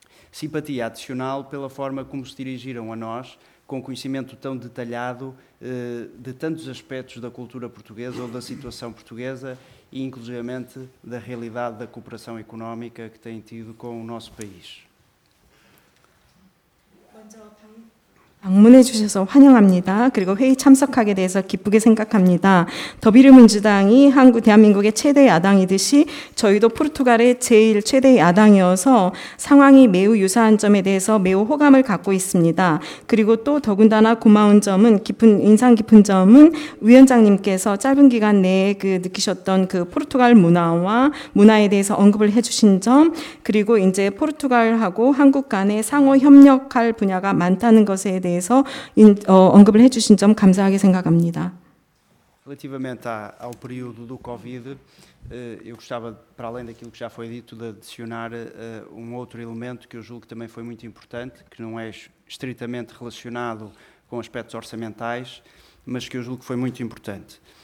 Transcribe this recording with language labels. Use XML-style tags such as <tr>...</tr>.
<pt>Simpatia adicional pela forma como se dirigiram a nós, com conhecimento tão detalhado de tantos aspectos da cultura portuguesa ou da situação portuguesa e, inclusivamente, da realidade da cooperação económica que têm tido com o nosso país.</pt> <ko>방문해 주셔서 환영합니다. 그리고 회의 참석하게 돼서 기쁘게 생각합니다. 더불어민주당이 한국 대한민국의 최대 야당이듯이 저희도 포르투갈의 제일 최대 야당이어서 상황이 매우 유사한 점에 대해서 매우 호감을 갖고 있습니다. 그리고 또 더군다나 고마운 점은 인상 깊은 점은 위원장님께서 짧은 기간 내에 그 느끼셨던 그 포르투갈 문화에 대해서 언급을 해 주신 점, 그리고 이제 포르투갈하고 한국 간의 상호 협력할 분야가 많다는 것에 대해 언급을 해주신 점 감사하게 생각합니다.</ko> <pt>Relativamente ao período do Covid, eu gostava, para além daquilo que já foi dito, de adicionar outro elemento que eu julgo que também foi muito importante, que não é estritamente relacionado com aspectos orçamentais, mas que eu julgo que foi muito importante.</pt>